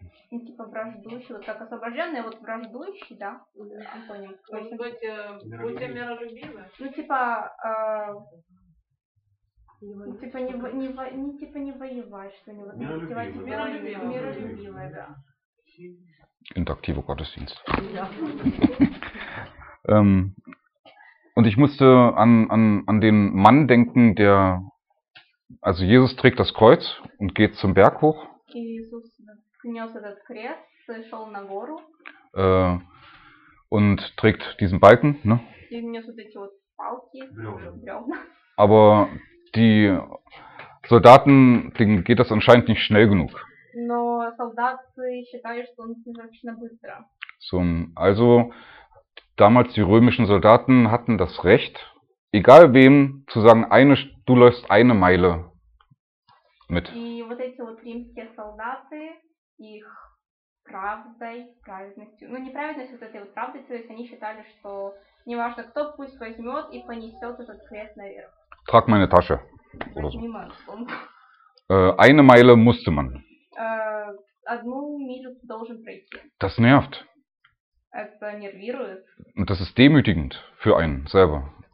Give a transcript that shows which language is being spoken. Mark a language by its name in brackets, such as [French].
[Russian] Не типа враждующий, вот как освобожденный, вот враждующий, да? Антоним. Может быть, будьте миролюбивы? Ну, типа, не воевать, что-нибудь. Миролюбивая, да. Интерактивный Gottesdienst. [German] Ja. Und ich musste an den Mann denken, der, also Jesus trägt das Kreuz und geht zum Berg hoch. Jesus nimmt [Russian] этот крест, шел на гору. [German] Und trägt diesen Balken, ne? [Russian] И нес вот эти вот палки, бревна. [German] Aber die Soldaten, denen geht das anscheinend nicht schnell genug. [Russian] Но солдаты считают, что он достаточно быстро. [German] So, also damals die römischen Soldaten hatten das Recht, egal wem, zu sagen, du läufst eine Meile mit. [Russian] И вот эти вот римские солдаты, их правдой, праведностью, ну не праведностью, вот этой вот правдой, то есть они считали, что неважно кто, пусть возьмет и понесет этот крест наверх. [German] Trag meine Tasche. Oder so. Niemand. Eine Meile musste man. [Russian] Одну милю ты должен пройти. [German] Das nervt. [Russian] Это нервирует. [German] Und das ist demütigend für einen selber.